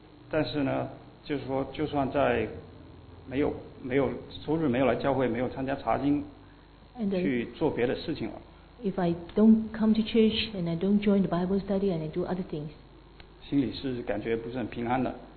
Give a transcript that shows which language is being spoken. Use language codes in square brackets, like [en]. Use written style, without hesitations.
[zh] 但是呢，就是说，就算在没有周日没有来教会，没有参加查经，去做别的事情了。 [en] If I don't come to church and I don't join the Bible study and I do other things， [zh] 心里是感觉不是很平安的。